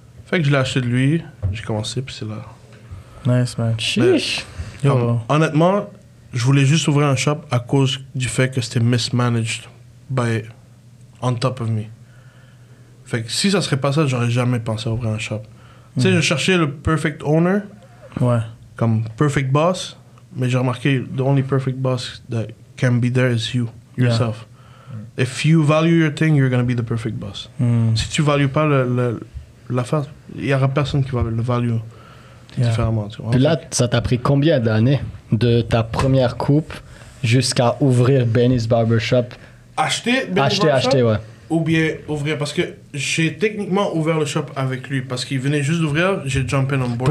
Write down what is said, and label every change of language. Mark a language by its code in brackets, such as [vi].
[fr] Fait que je l'ai acheté de lui, j'ai commencé, puis c'est là. [en] Nice, man. [fr] Chiche. Honnêtement, je voulais juste ouvrir un shop à cause du fait que c'était [en] mismanaged by on top of me. [fr] Fait que si ça serait pas ça, j'aurais jamais pensé à ouvrir un shop. Tu sais, je cherchais le [en] perfect owner, [fr] ouais, comme perfect boss, mais j'ai remarqué, [en] the only perfect boss that can be there is you, yourself. Yeah. If you value your thing, you're going to be the perfect boss. [fr] Si tu ne values pas l'affaire, il n'y aura personne qui va le value différemment. Tu vois? Puis là, ça t'a pris combien d'années de ta première coupe jusqu'à ouvrir Benny's Barbershop? Acheter, ouais. Ou bien ouvrir, parce que j'ai techniquement ouvert le shop avec lui, parce qu'il venait juste d'ouvrir, j'ai jumpé [en] on board.